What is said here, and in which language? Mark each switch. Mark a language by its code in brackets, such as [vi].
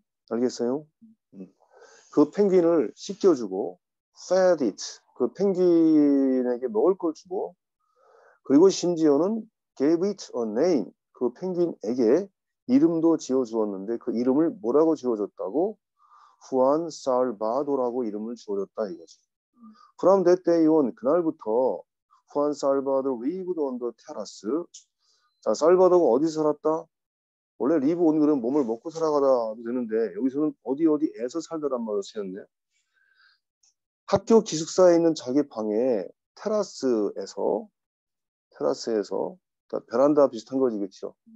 [ko] 알겠어요? 그 펭귄을 씻겨주고, [en] fed it. [ko] 그 펭귄에게 먹을 걸 주고, 그리고 심지어는 [en] gave it a name. [ko] 그 펭귄에게 이름도 지어주었는데, 그 이름을 뭐라고 지어줬다고? Juan Salvador라고 이름을 지어줬다, 이거지. [en] From that day on, [ko] 그날부터 [en] Juan Salvador lived on the terrace. [ko] 자, 살바도가 어디 살았다? 원래 live on 그러면 몸을 먹고 살아가다 되는데 여기서는 어디 어디에서 살더란 말을 쓰였네. 학교 기숙사에 있는 자기 방에 테라스에서 베란다 비슷한 거지, 그렇죠?